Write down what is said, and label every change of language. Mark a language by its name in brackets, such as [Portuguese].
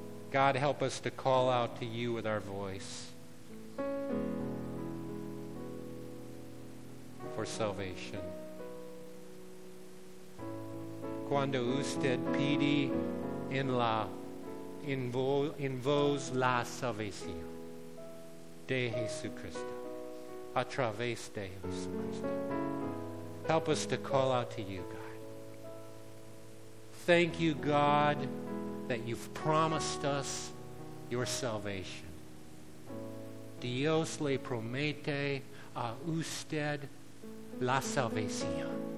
[English] God, help us to call out to you with our voice for salvation. [Spanish] Cuando usted pide en la invoz la salvación de Jesucristo, a través de Jesucristo. [English] Help us to call out to you, God. Thank you, God, that you've promised us your salvation. [Spanish] Dios le promete a usted la salvación.